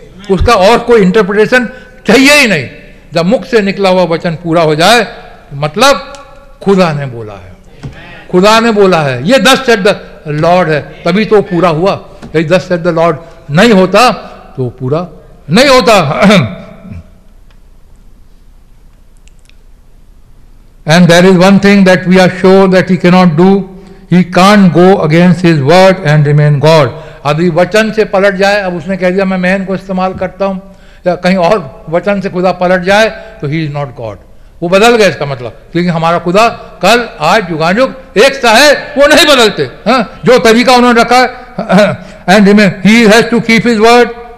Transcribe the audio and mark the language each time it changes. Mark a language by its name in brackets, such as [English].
[Hindi] उसका और कोई इंटरप्रिटेशन चाहिए ही नहीं. जब मुख से निकला हुआ वचन पूरा हो जाए मतलब खुदा ने बोला है, खुदा ने बोला है. ये [English] thus saith the Lord [Hindi] है, तभी तो पूरा हुआ. यदि दस सेट द लॉर्ड नहीं होता तो पूरा नहीं होता. [English] And there is one thing that we are sure that he cannot do. He can't go against his word and remain God. [Hindi] यदि वचन से पलट जाए, अब उसने कह दिया मैं मैन को इस्तेमाल करता हूँ, या कहीं और वचन से खुदा पलट जाए तो [English] He is not God. [Hindi] वो बदल गया इसका मतलब, क्योंकि हमारा खुदा कल आज युगानुग एक सा है. वो नहीं बदलते जो तरीका उन्होंने रखा है. [English] And remain he has to keep his word.